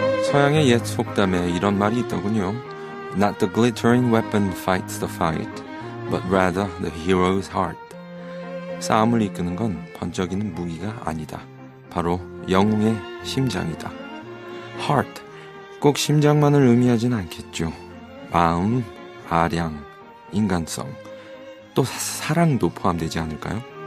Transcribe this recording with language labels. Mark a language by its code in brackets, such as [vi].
[ko] 서양의 옛 속담에 이런 말이 있더군요. [en] Not the glittering weapon fights the fight, but rather the hero's heart. [ko] 싸움을 이끄는 건 번쩍이는 무기가 아니다. 바로 영웅의 심장이다. Heart, 꼭 심장만을 의미하진 않겠죠. 마음, 아량, 인간성, 또 사랑도 포함되지 않을까요?